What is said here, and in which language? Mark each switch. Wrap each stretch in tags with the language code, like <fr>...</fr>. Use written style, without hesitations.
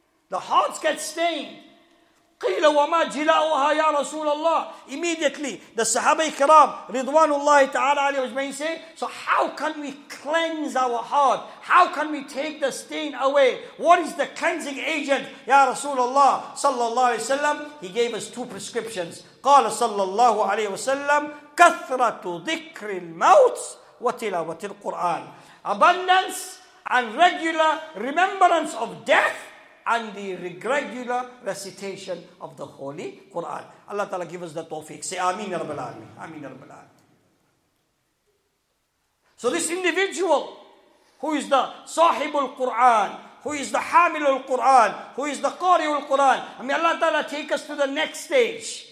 <en>The hearts get stained.</en> <ar>قِيلَ وَمَا جِلَاؤُهَا يَا رَسُولَ اللَّهِ.</ar> <en>Immediately, the Sahaba Ikram, Ridwanullahi Ta'ala Ali Ajmain, say, so how can we cleanse our heart? How can we take the stain away? What is the cleansing agent? Ya Rasulullah Sallallahu Alaihi Wasallam, he gave us two prescriptions.</en> <ar>قَالَ صَلَّى اللَّهُ عَلَيْهِ وَسَلَّمْ كَثْرَةُ ذِكْرِ الْمَوْتِ وَتِلَاوَةِ الْقُرْآنِ.</ar> <en>Abundance and regular remembrance of death and the regular recitation of the Holy Quran. Allah Ta'ala give us the tawfiq. Say Ameen Ya Rabbal Alameen. Ameen Ya Rabbal Alameen. So this individual who is the Sahibul Quran, who is the Hamilul Quran, who is the Qariul Quran, may Allah Ta'ala take us to the next stage.</en>